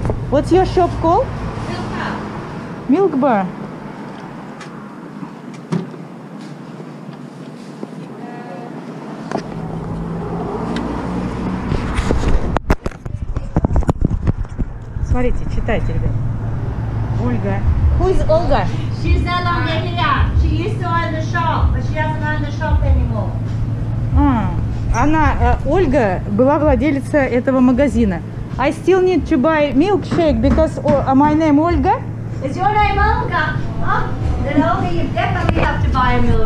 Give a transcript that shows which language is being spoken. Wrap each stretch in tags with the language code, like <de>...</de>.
<en>What's your shop called? Milk bar.</en> <ru>Смотрите, читайте, ребят. Ольга.</ru> <en>Who is Olga? She's no longer here. She used to own the shop, but she doesn't own the shop anymore.</en> <ru>Она, Ольга, была владелица этого магазина.</ru> <en>I still need to buy milkshake because my name Olga. Is your name Olga? Then Olga, you definitely have to buy a milkshake.</en>